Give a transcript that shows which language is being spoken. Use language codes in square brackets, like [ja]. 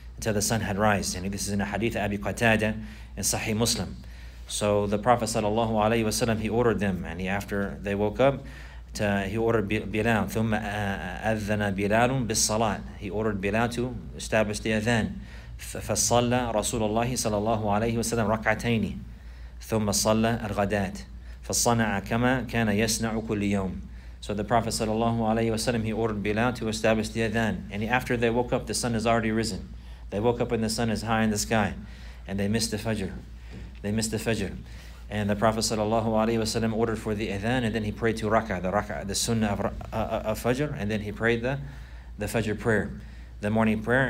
[en] And this is in a hadith of Abi Qatada in Sahih Muslim. So the Prophet sallallahu alayhi wasallam, he ordered them, and after they woke up, he ordered Bilal. [ar] ثم أذن بلال بالصلاة. [en] He ordered Bilal to establish the adhan. [ar] فصلى رسول الله صلى الله عليه وسلم ركعتين ثم صلى الغداة فصنع كما كان يصنع كل يوم. [en] So the Prophet sallallahu alayhi wasallam, he ordered Bilal to establish the adhan. And after they woke up, the sun has already risen. They woke up and the sun is high in the sky. And they missed the Fajr. They missed the Fajr. And the Prophet sallallahu alayhi wasallam ordered for the adhan, and then he prayed to raka'ah, the sunnah of Fajr. And then he prayed the Fajr prayer, the morning prayer.